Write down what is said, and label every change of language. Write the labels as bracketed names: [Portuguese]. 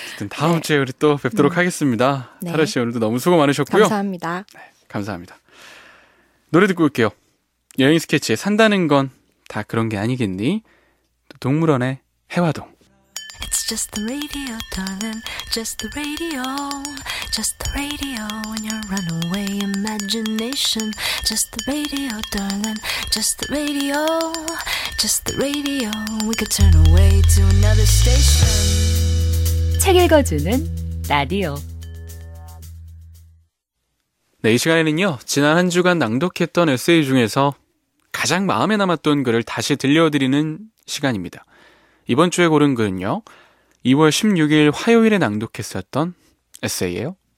[Korean] 다음 네. 주에 우리 또 뵙도록 하겠습니다. 네. 타르 씨 오늘도 너무 수고 많으셨고요. 감사합니다. 네, 감사합니다. 노래 듣고 올게요. 여행 스케치에 산다는 건 다 그런 게 아니겠니? 동물원의 해화동. [English] It's just the radio, darling. Just the radio. Just the radio and your runaway imagination. Just the radio, darling. Just the radio. Just the radio. We could turn away to another station. [Korean] 책 읽어주는 라디오. 네, 이 시간에는요, 지난 한 주간 낭독했던 에세이 중에서 가장 마음에 남았던 글을 다시 들려드리는 시간입니다. 이번 주에 고른 글은요, 2월 16일 화요일에 낭독했었던 에세이예요.